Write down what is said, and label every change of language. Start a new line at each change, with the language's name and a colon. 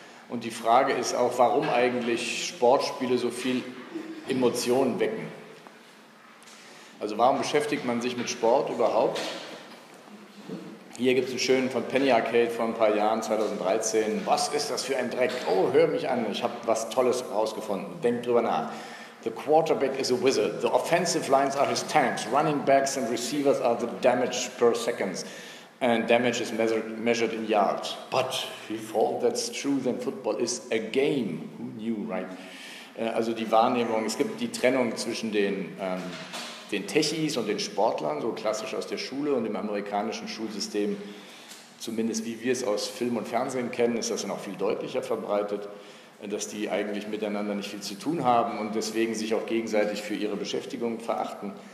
German: Und die Frage ist auch, warum eigentlich Sportspiele so viel Emotionen wecken. Also warum beschäftigt man sich mit Sport überhaupt? Hier gibt es einen schönen von Penny Arcade vor ein paar Jahren, 2013. Was ist das für ein Dreck? Oh, hör mich an, ich habe was Tolles rausgefunden. Denk drüber nach.
English: The quarterback is a wizard. The offensive lines are his tanks. Running backs and receivers are the damage per seconds. And damage is measured in yards. But if all that's true, then football is a game. Who knew, right?
German: Also die Wahrnehmung, es gibt die Trennung zwischen den Techies und den Sportlern, so klassisch aus der Schule und dem amerikanischen Schulsystem, zumindest wie wir es aus Film und Fernsehen kennen, ist das dann auch viel deutlicher verbreitet, dass die eigentlich miteinander nicht viel zu tun haben und deswegen sich auch gegenseitig für ihre Beschäftigung verachten.